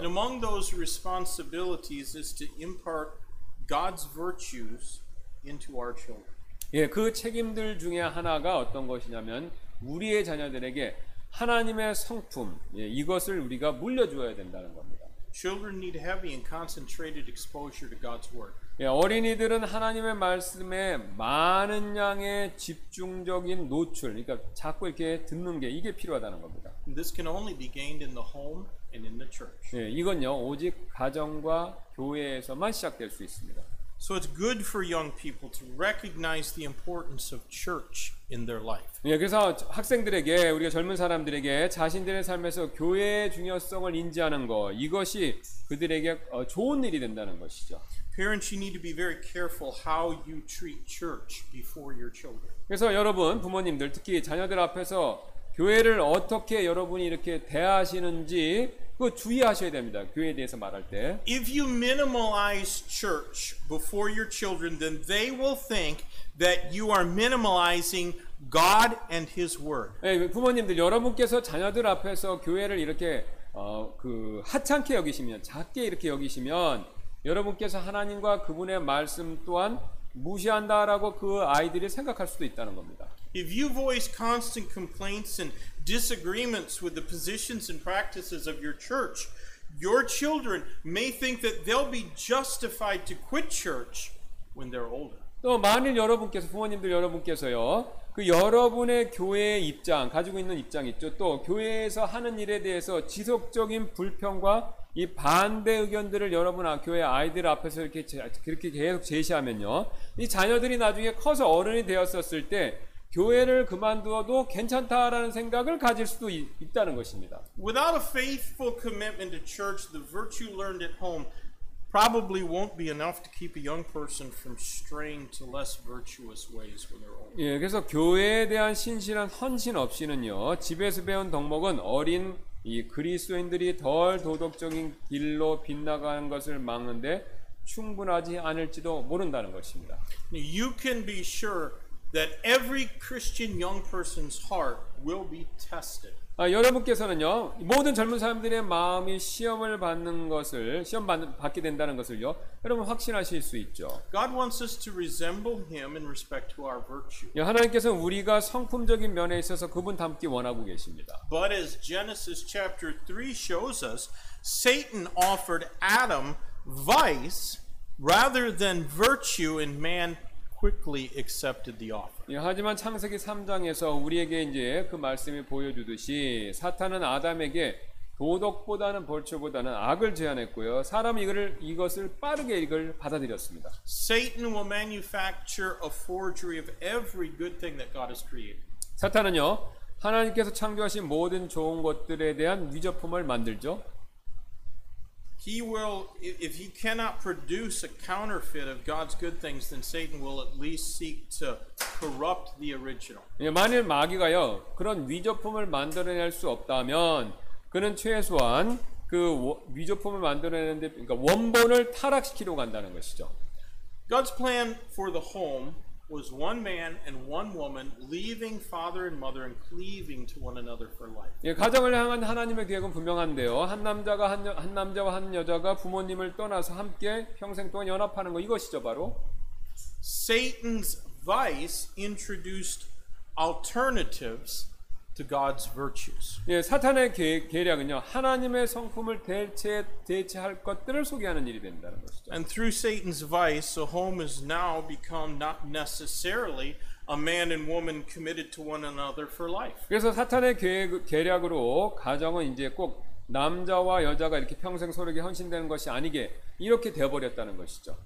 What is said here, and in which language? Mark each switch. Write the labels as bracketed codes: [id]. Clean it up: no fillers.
[en] And among those responsibilities is to impart God's virtues into our children. [ko] 예, 그 책임들 중에 하나가 어떤 것이냐면 우리의 자녀들에게 하나님의 성품, 예, 이것을 우리가 물려줘야 된다는 겁니다. [en] Children need heavy and concentrated exposure to God's word. [ko] 예, 어린이들은 하나님의 말씀에 많은 양의 집중적인 노출, 그러니까 자꾸 이렇게 듣는 게 이게 필요하다는 겁니다. [en] This can only be gained in the home and in the church. [ko] 예, 이건요 오직 가정과 교회에서만 시작될 수 있습니다. [en] So it's good for young people to recognize the importance of church in their life. [ko] 예, 그래서 학생들에게 우리가 젊은 사람들에게 자신들의 삶에서 교회의 중요성을 인지하는 거 이것이 그들에게 좋은 일이 된다는 것이죠. [en] Parents, you need to be very careful how you treat church before your children. [ko] 그래서 여러분 부모님들 특히 자녀들 앞에서 교회를 어떻게 여러분이 이렇게 대하시는지 그 주의하셔야 됩니다. 교회에 대해서 말할 때. [en] If you minimize church before your children, then they will think that you are minimizing God and His word. [ko] 예, 부모님들 여러분께서 자녀들 앞에서 교회를 이렇게 하찮게 여기시면, 작게 이렇게 여기시면, 여러분께서 하나님과 그분의 말씀 또한 무시한다라고 그 아이들이 생각할 수도 있다는 겁니다. [en] If you voice constant complaints and disagreements with the positions and practices of your church, Your children may think that they'll be justified to quit church when they're older. [ko] 또 만일 여러분께서 부모님들 여러분께서요. 그 여러분의 교회의 입장 가지고 있는 입장 있죠. 또 교회에서 하는 일에 대해서 지속적인 불평과 이 반대 의견들을 여러분 교회 아이들 앞에서 이렇게 그렇게 계속 제시하면요. 이 자녀들이 나중에 커서 어른이 되었었을 때 교회를 그만두어도 괜찮다라는 생각을 가질 수도 있다는 것입니다. [en] Without a faithful commitment to church, the virtue learned at home probably won't be enough to keep a young person from straying to less virtuous ways when they're older. [ko] 예, 그래서 교회에 대한 신실한 헌신 없이는요. 집에서 배운 덕목은 어린 이 그리스도인들이 덜 도덕적인 길로 빗나가는 것을 막는데 충분하지 않을지도 모른다는 것입니다. [en] You can be sure that every Christian young person's heart will be tested. [ko] 아, 여러분께서는요 모든 젊은 사람들의 마음이 시험을 받는 것을 시험 받게 된다는 것을요 여러분 확신하실 수 있죠. [en] God wants us to resemble Him in respect to our virtue. [ko] 예, 하나님께서는 우리가 성품적인 면에 있어서 그분 닮기 원하고 계십니다. [en] But as Genesis chapter 3 shows us, Satan offered Adam vice rather than virtue in man. Quickly accepted the offer. [ko] 예, 하지만 창세기 3장에서 우리에게 이제 그 말씀이 보여주듯이 사탄은 아담에게 도덕보다는 벌초보다는 악을 제안했고요. 사람이 이것을 빠르게 이걸 받아들였습니다. [en] Satan will manufacture a forgery of every good thing that God has created. [ko] 사탄은요 하나님께서 창조하신 모든 좋은 것들에 대한 위조품을 만들죠. [en] He will, if he cannot produce a counterfeit of God's good things, then Satan will at least seek to corrupt the original. [ko] 예, 만일 마귀가요 그런 위조품을 만들어낼 수 없다면, 그는 최소한 그 위조품을 만들어내는데, 그러니까 원본을 타락시키려고 한다는 것이죠. [en] God's plan for the home was one man and one woman leaving father and mother and cleaving to one another for life. [ko] 예, 가정을 향한 하나님의 계획은 분명한데요. 한 남자와 한 여자가 부모님을 떠나서 함께 평생 동안 연합하는 거 이것이죠, 바로. [en] Satan's vice introduced alternatives to God's virtues. [ko] 예, 사탄의 계략은요. 하나님의 성품을 대체할 것들을 소개하는 일이 된다는 것이죠. [en] And through Satan's vice, a home has now become not necessarily a man and woman committed to one another for life. [ko] 그래서 사탄의 계략으로 가정은 이제 꼭 남자와 여자가 이렇게 평생 서로에게 헌신되는 것이 아니게 이렇게 되어버렸다는 것이죠.